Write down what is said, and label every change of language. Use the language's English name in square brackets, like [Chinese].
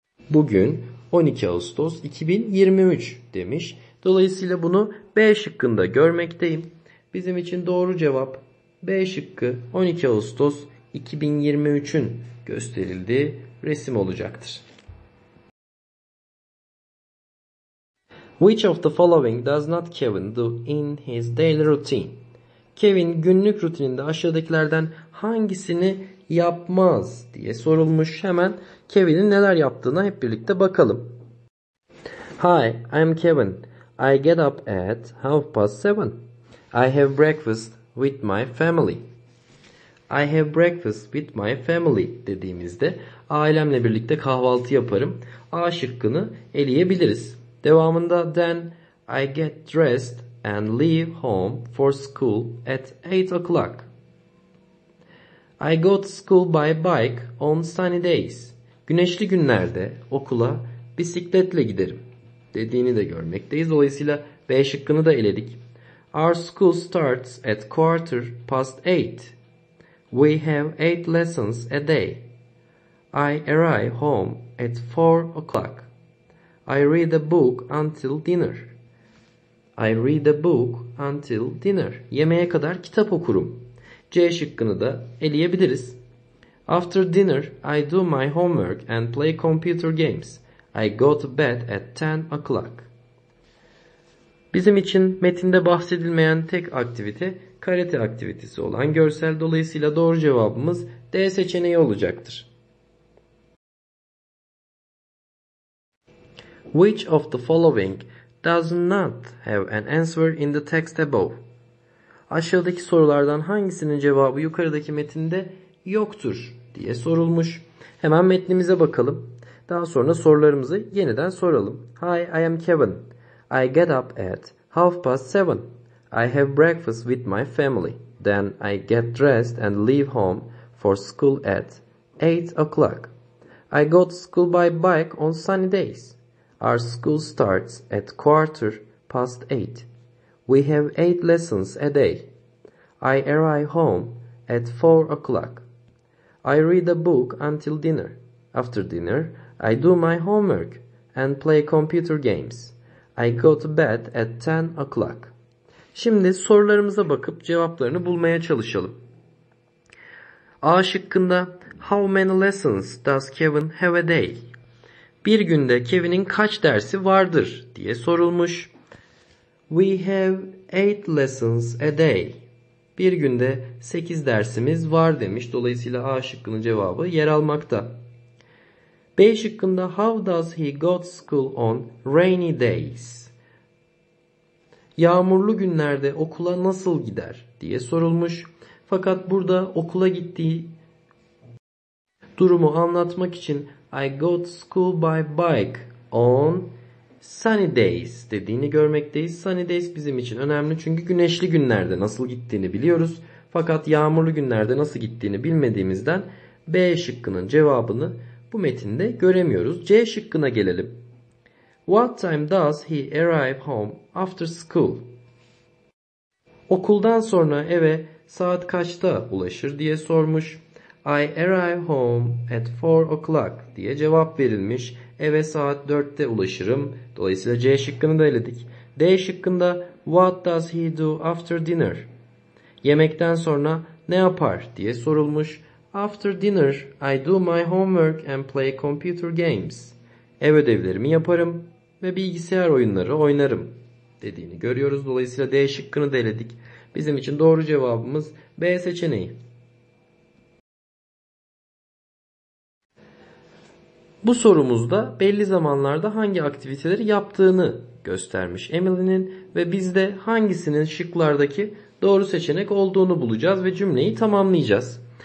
[Turkish] Bugün 12 Ağustos 2023 demiş. Dolayısıyla bunu B şıkkında görmekteyim. Bizim için doğru cevap B şıkkı 12 Ağustos 2023'ün gösterildiği resim olacaktır. [English] Which of the following does not Kevin do in his daily routine? [Turkish] Kevin günlük rutininde aşağıdakilerden hangisini yapmaz diye sorulmuş. Hemen Kevin'in neler yaptığına hep birlikte bakalım. [English] Hi, I'm Kevin. I get up at 7:30. I have breakfast with my family. I have breakfast with my family [Turkish] dediğimizde ailemle birlikte kahvaltı yaparım. A şıkkını eleyebiliriz. [English] Devamında then I get dressed and leave home for school at 8:00. I go to school by bike on sunny days. [Turkish] Güneşli günlerde okula bisikletle giderim dediğini de görmekteyiz. Dolayısıyla B şıkkını da eledik. [English] Our school starts at 8:15. We have 8 lessons a day. I arrive home at 4:00. I read a book until dinner. I read a book until dinner. [Turkish] Yemeğe kadar kitap okurum. C şıkkını da eleyebiliriz. [English] After dinner, I do my homework and play computer games. I go to bed at 10:00. [Turkish] Bizim için metinde bahsedilmeyen tek aktivite karate aktivitesi olan görsel. Dolayısıyla doğru cevabımız D seçeneği olacaktır. [English] Which of the following does not have an answer in the text above? [Turkish] Aşağıdaki sorulardan hangisinin cevabı yukarıdaki metinde yoktur diye sorulmuş. Hemen metnimize bakalım. Daha sonra sorularımızı yeniden soralım. [English] Hi, I am Kevin. I get up at 7:30. I have breakfast with my family. Then I get dressed and leave home for school at 8:00. I go to school by bike on sunny days. Our school starts at 8:15. We have 8 lessons a day. I arrive home at 4:00. I read a book until dinner. After dinner, I do my homework and play computer games. I go to bed at 10:00. [Turkish] Şimdi sorularımıza bakıp cevaplarını bulmaya çalışalım. A şıkkında [English] how many lessons does Kevin have a day? [Turkish] Bir günde Kevin'in kaç dersi vardır diye sorulmuş. [English] We have 8 lessons a day. [Turkish] Bir günde 8 dersimiz var demiş. Dolayısıyla A şıkkının cevabı yer almakta. B şıkkında [English] how does he go to school on rainy days? [Turkish] Yağmurlu günlerde okula nasıl gider diye sorulmuş. Fakat burada okula gittiği durumu anlatmak için [English] I go to school by bike on sunny days [Turkish] dediğini görmekteyiz. Sunny days bizim için önemli çünkü güneşli günlerde nasıl gittiğini biliyoruz. Fakat yağmurlu günlerde nasıl gittiğini bilmediğimizden B şıkkının cevabını bu metinde göremiyoruz. C şıkkına gelelim. [English] What time does he arrive home after school? [Turkish] Okuldan sonra eve saat kaçta ulaşır diye sormuş. [English] I arrive home at 4 o'clock [Turkish] diye cevap verilmiş. Eve saat 4'te ulaşırım. Dolayısıyla C şıkkını da eledik. D şıkkında [English] What does he do after dinner? [Turkish] Yemekten sonra ne yapar diye sorulmuş. [English] After dinner I do my homework and play computer games. [Turkish] Ev ödevlerimi yaparım ve bilgisayar oyunları oynarım dediğini görüyoruz. Dolayısıyla D şıkkını da eledik. Bizim için doğru cevabımız B seçeneği. Bu sorumuzda belli zamanlarda hangi aktiviteleri yaptığını göstermiş Emily'nin ve biz de hangisinin şıklardaki doğru seçenek olduğunu bulacağız ve cümleyi tamamlayacağız.